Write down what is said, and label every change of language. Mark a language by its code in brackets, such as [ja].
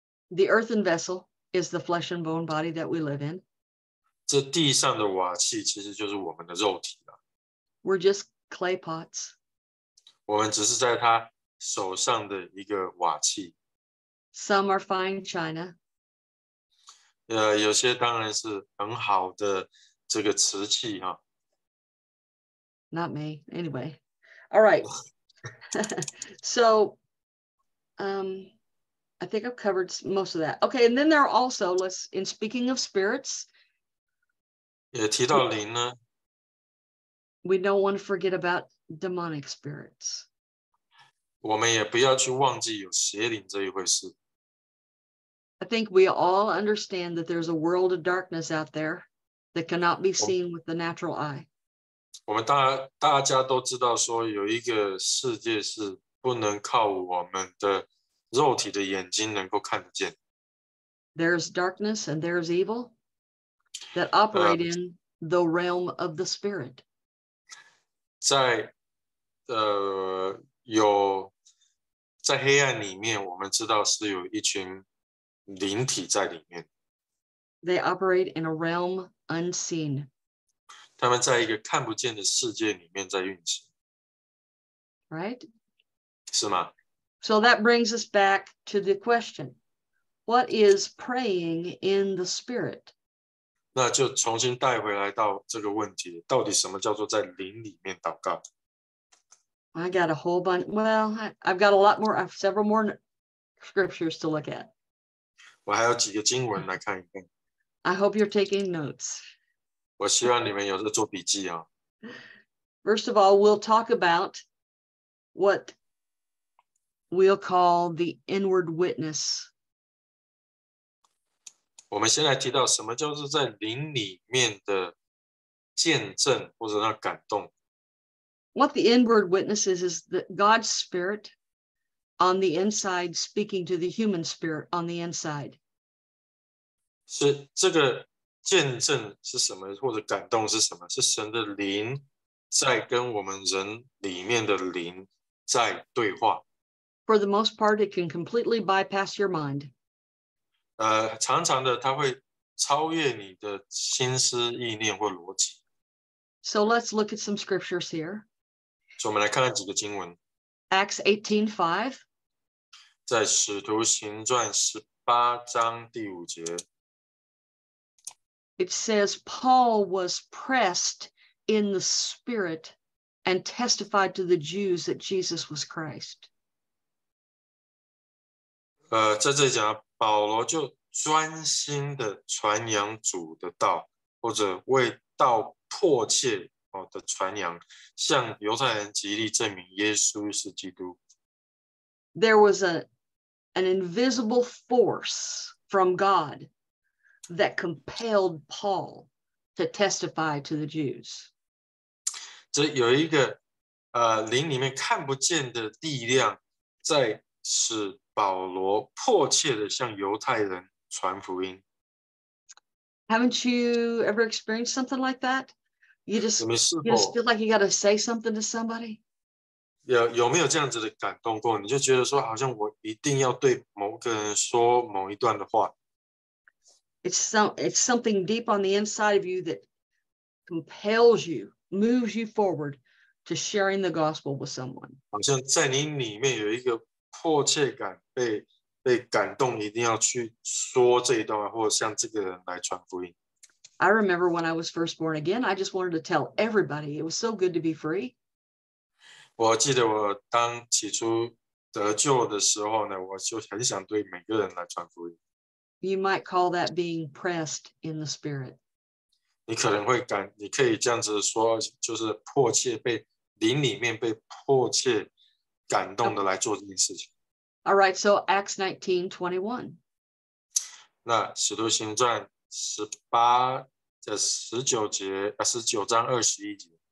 [en] The earthen vessel is the flesh and bone body that we live in. [zh] 这地上的瓦器其实就是我们的肉体了。 [en] We're just clay pots. [zh] 我们只是在他手上的一个瓦器。 [en] Some are fine china. [zh] 有些当然是很好的这个瓷器啊。 [en] Not me, anyway. All right. So, I think I've covered most of that. Okay, and then there are also, in speaking of spirits, [zh] 也提到灵呢, [en] we don't want to forget about demonic spirits. [zh] 我们也不要去忘记有邪灵这一回事。 [en] I think we all understand that there's a world of darkness out there that cannot be seen with the natural eye. [zh] 我们大家都知道说有一个世界是不能靠我们的肉体的眼睛能够看得见。 [en] There is darkness and there is evil that operate in the realm of the spirit. [zh] 在有在黑暗里面，我们知道是有一群灵体在里面。 [en] They operate in a realm unseen. [zh] 他们在一个看不见的世界里面在运行。 [en] Right? [zh] 是吗？ [en] So that brings us back to the question, what is praying in the spirit? [zh] 那就重新带回来到这个问题，到底什么叫做在灵里面祷告？ [en] I got a whole bunch, I've got a lot more, I have several more scriptures to look at. [zh] 我还有几个经文来看一看。 [en] I hope you're taking notes. [zh] 我希望你们有在做笔记啊。 [en] First of all, we'll talk about what... We'll call the inward witness. [zh] 我们先来提到什么叫做在灵里面的见证或者那感动。 [en] What the inward witness is that God's spirit on the inside, speaking to the human spirit on the inside. [zh] 是这个见证是什么，或者感动是什么？是神的灵在跟我们人里面的灵在对话。 [en] For the most part, it can completely bypass your mind. [zh] 常常的它会超越你的心思意念或逻辑。 [en] So let's look at some scriptures here. [zh] 我们来看看几个经文。 [en] Acts 18:5. [zh] 在使徒行传十八章第五节。 [en] It says, Paul was pressed in the spirit and testified to the Jews that Jesus was Christ. [zh] 在这里讲，保罗就专心的传扬主的道，或者为道迫切的传扬，向犹太人极力证明耶稣是基督。 [en] There was an invisible force from God that compelled Paul to testify to the Jews. [zh] 这有一个灵里面看不见的力量，在使保罗迫切的向犹太人传福音。 [en] Haven't you ever experienced something like that? You just feel like you got to say something to somebody? [zh] 有没有这样子的感动过？你就觉得说，好像我一定要对某个人说某一段的话。 [en] It's something deep on the inside of you that compels you, moves you forward to sharing the gospel with someone. [zh] 好像在你里面有一个迫切感，被感动，一定要去说这一段，或者向这个人来传福音。 [en] I remember when I was first born again, I just wanted to tell everybody. It was so good to be free. [zh] 我记得我当起初得救的时候呢，我就很想对每个人来传福音。 [en] You might call that being pressed in the spirit. [zh] 你可以这样子说，就是迫切被灵里面被迫切感动的来做这件事情。 [en] All right, so Acts 19:21. [zh] 那使徒行传十八的十九节，十九章二十一节。